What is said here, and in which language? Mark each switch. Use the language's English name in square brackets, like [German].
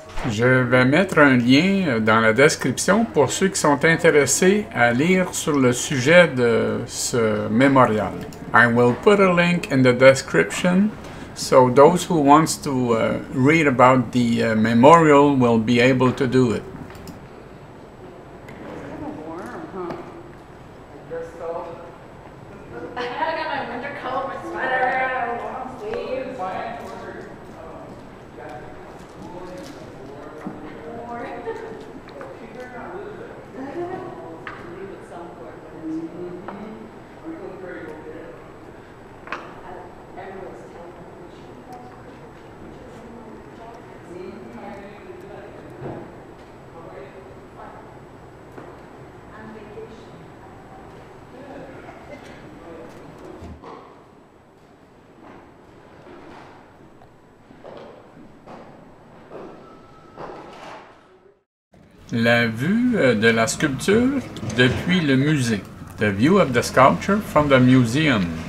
[French] Je vais mettre un lien dans la description pour ceux qui sont intéressés à lire sur le sujet de ce mémorial. [English] I will put a link in the description so those who want to read about the memorial will be able to do it. [French] La vue de la sculpture depuis le musée. [English] The view of the sculpture from the museum.